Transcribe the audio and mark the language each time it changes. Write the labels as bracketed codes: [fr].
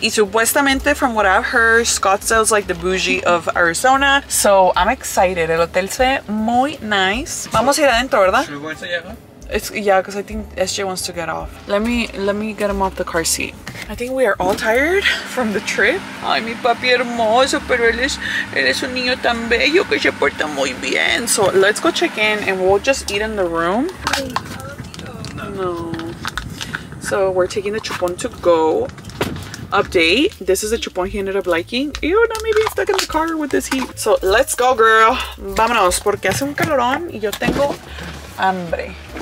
[es] Y supuestamente, [en] from what I've heard, Scottsdale is like the bougie of Arizona. So I'm excited. [es] El hotel se muy nice. Vamos a ir adentro, ¿verdad? [en] It's, yeah, because I think SJ wants to get off. Let me get him off the car seat. I think we are all tired from the trip. [es] Ay, mi papi hermoso, pero él es un niño tan bello que se porta muy bien. [en] So let's go check in and we'll just eat in the room. No. So we're taking the chupon to go. Update. This is a chupon he ended up liking. Ew, now maybe he's stuck in the car with this heat. So let's go, girl. [es] Vámonos, porque hace un calorón y yo tengo hambre.